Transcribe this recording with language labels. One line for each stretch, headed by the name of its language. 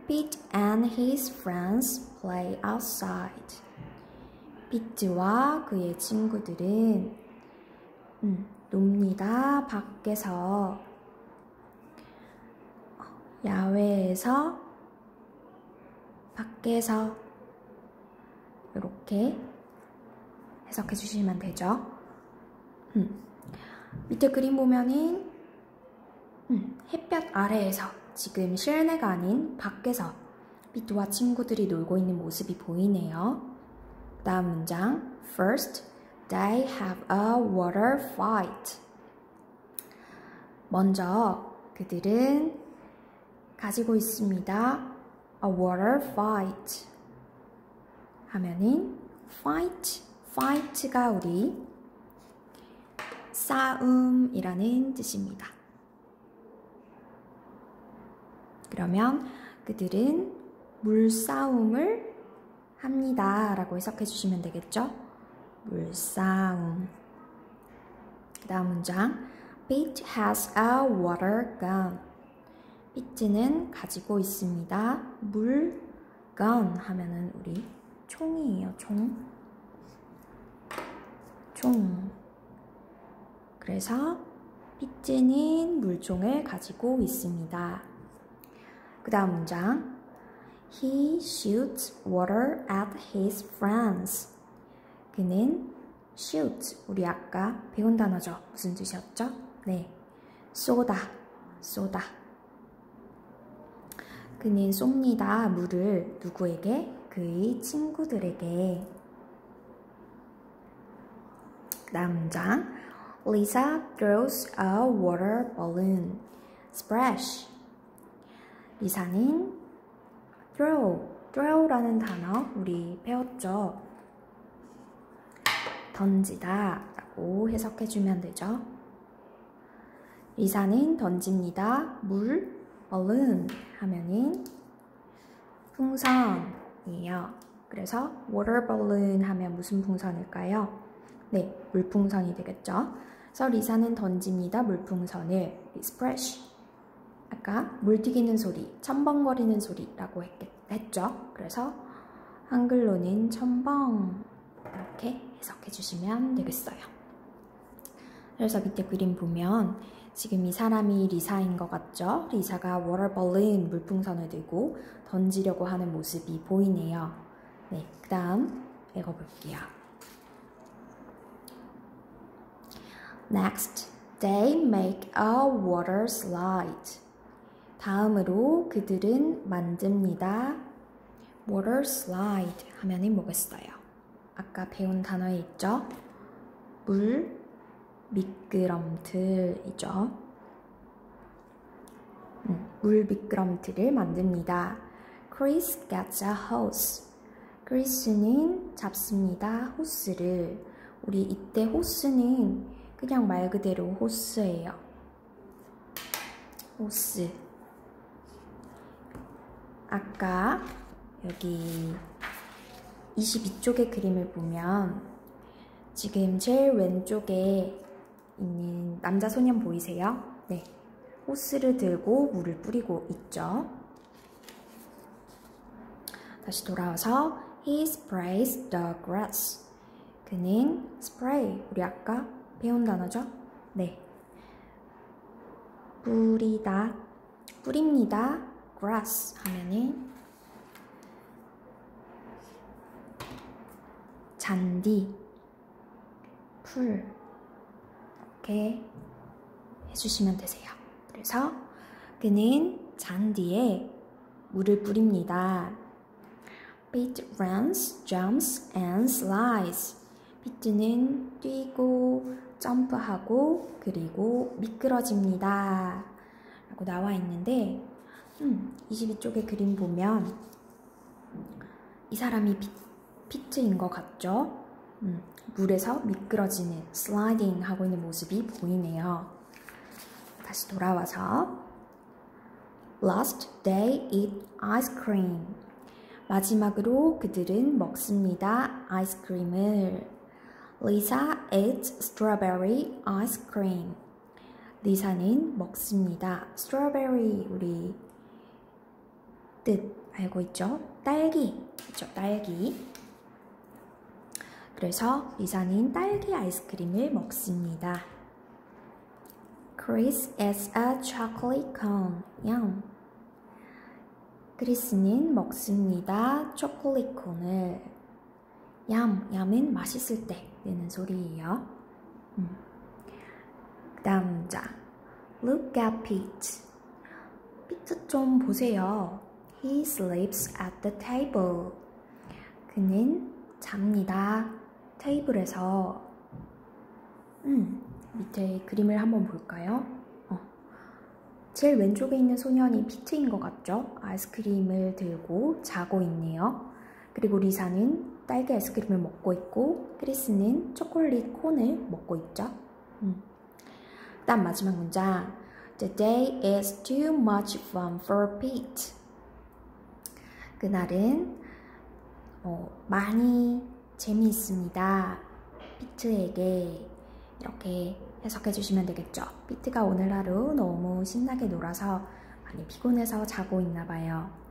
English: Pete and his friends play outside.
Korean: 피트와 그의 친구들은 놉니다. 밖에서 야외에서 밖에서 이렇게 해석해 주시면 되죠. 밑에 그림 보면은 햇볕 아래에서 지금 실내가 아닌 밖에서 피트와 친구들이 놀고 있는 모습이 보이네요. 다음 문장
English: First, they have a water fight.
Korean: 먼저 그들은 가지고 있습니다.
English: A water fight
Korean: 하면은 fight, fight가 우리 싸움이라는 뜻입니다. 그러면 그들은 물싸움을 합니다 라고 해석해 주시면 되겠죠? 물싸움. 그 다음 문장,
English: Pete has a water gun.
Korean: Pete는 가지고 있습니다. 물 gun 하면은 우리 총이에요. 총. 총. 그래서 Pete는 물총을 가지고 있습니다. 그 다음 문장,
English: He shoots water at his friends.
Korean: 그는 shoot, 우리 아까 배운 단어죠. 무슨 뜻이었죠? 네, 쏘다, 쏘다. 그는 쏩니다, 물을. 누구에게? 그의 친구들에게. 다음 문장,
English: Lisa throws a water balloon. Splash.
Korean: 리사는 throw라는 단어 우리 배웠죠. 던지다 라고 해석해 주면 되죠. 리사는 던집니다. 물, balloon 하면은 풍선이에요. 그래서 water balloon 하면 무슨 풍선일까요? 네, 물풍선이 되겠죠. 그래서 리사는 던집니다. 물풍선을. splash. 아까 물 튀기는 소리, 첨벙거리는 소리라고 했죠. 그래서 한글로는 첨벙 이렇게 해석해 주시면 되겠어요. 그래서 밑에 그림 보면 지금 이 사람이 리사인 것 같죠? 리사가 water balloon, 물풍선을 들고 던지려고 하는 모습이 보이네요. 네, 그 다음 읽어볼게요.
English: Next, they make a water slide.
Korean: 다음으로 그들은 만듭니다. Water slide 하면 뭐겠어요? 아까 배운 단어에 있죠? 물 미끄럼틀이죠. 물 미끄럼틀을 만듭니다.
English: Chris gets a hose.
Korean: Chris는 잡습니다. 호스를. 우리 이때 호스는 그냥 말 그대로 호스예요. 호스. 아까 여기 22쪽의 그림을 보면 지금 제일 왼쪽에 있는 남자 소년 보이세요? 네, 호스를 들고 물을 뿌리고 있죠. 다시 돌아와서
English: He sprays the grass.
Korean: 그는 spray, 우리 아까 배운 단어죠? 네, 뿌리다, 뿌립니다. grass 하면은 잔디, 풀 이렇게 해주시면 되세요. 그래서 그는 잔디에 물을 뿌립니다.
English: Pete runs, jumps, and slides.
Korean: Pete는 뛰고 점프하고 그리고 미끄러집니다 라고 나와 있는데 22쪽에 그림 보면 이 사람이 피트인 것 같죠? 물에서 미끄러지는 슬라이딩 하고 있는 모습이 보이네요. 다시 돌아와서
English: Last they eat ice cream.
Korean: 마지막으로 그들은 먹습니다. 아이스크림을.
English: Lisa eats strawberry ice cream.
Korean: 리사는 먹습니다. Strawberry 우리 뜻 알고 있죠? 딸기. 그렇죠? 딸기. 그래서 리사는 딸기 아이스크림을 먹습니다.
English: Chris is a chocolate cone.
Korean: 양. 크리스는 먹습니다. 초콜릿 콘을. 얌. 얌은 맛있을 때 내는 소리예요. 그 다음 문장.
English: Look at Pete.
Korean: Pete 좀 보세요.
English: He sleeps at the table.
Korean: 그는 잡니다. 테이블에서. 밑에 그림을 한번 볼까요? 제일 왼쪽에 있는 소년이 피트인 것 같죠? 아이스크림을 들고 자고 있네요. 그리고 리사는 딸기 아이스크림을 먹고 있고 크리스는 초콜릿 콘을 먹고 있죠? 그 다음 마지막 문장.
English: The day is too much fun for Pete.
Korean: 그날은 많이 재미있습니다. 피트에게 이렇게 해석해 주시면 되겠죠. 피트가 오늘 하루 너무 신나게 놀아서 많이 피곤해서 자고 있나 봐요.